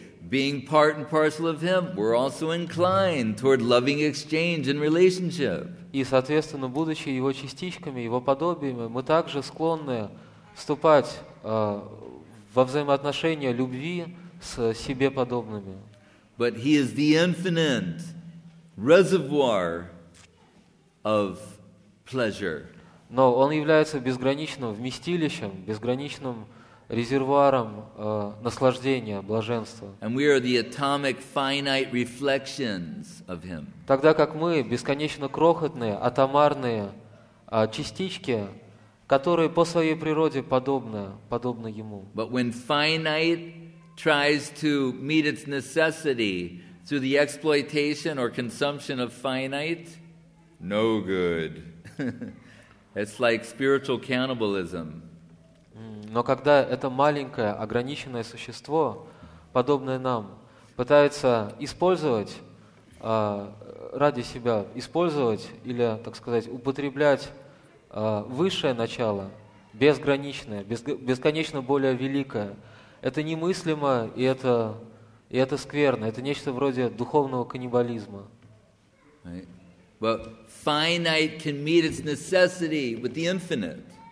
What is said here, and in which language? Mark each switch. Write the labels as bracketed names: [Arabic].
[English] Being part and parcel of Him, we're also inclined toward loving exchange and relationship. [Russian] И, соответственно, будучи Его частичками, Его подобиями, мы также склонны вступать во взаимоотношения любви с себе подобными. [English] But He is the infinite reservoir of pleasure. [Russian] Но он является безграничным вместилищем, безграничным резервуаром наслаждения, блаженства. [English] And we are the atomic finite reflections of him. [Russian] Тогда как мы бесконечно крохотные атомарные частички, которые по своей природе подобны ему. [English] But when finite tries to meet its necessity through the exploitation or consumption of finite, no good. It's like spiritual cannibalism. [Russian] Но когда это маленькое ограниченное существо, подобное нам, пытается использовать ради себя, использовать или, так сказать, употреблять высшее начало, безграничное, бесконечно более великое, это немыслимо и это скверно. Это нечто вроде духовного каннибализма. [English] But finite can meet its necessity with the infinite.